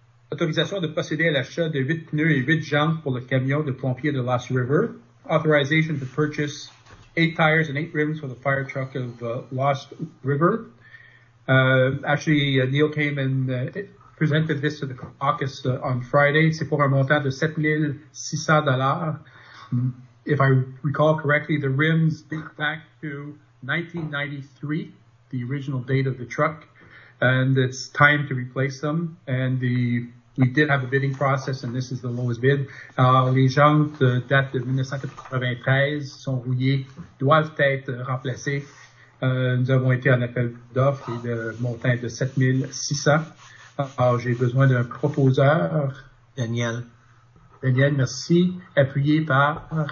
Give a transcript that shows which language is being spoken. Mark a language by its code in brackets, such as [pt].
[fr] Autorisation de procéder à l'achat de 8 pneus et 8 jambes pour le camion de pompiers de Lost River. [en] Authorization to purchase 8 tires and 8 rims for the fire truck of Lost River. Neil came and presented this to the caucus on Friday. [fr] C'est pour un montant de $7,600. [en] If I recall correctly, the rims date back to 1993, the original date of the truck, and it's time to replace them. And we did have a bidding process, and this is the lowest bid. [fr] Les jantes de date de 1993 sont rouillées, doivent être remplacées. Nous avons été en appel d'offres et le montant est de 7 600. Alors, j'ai besoin d'un proposeur. Daniel. Daniel, merci. Appuyé par?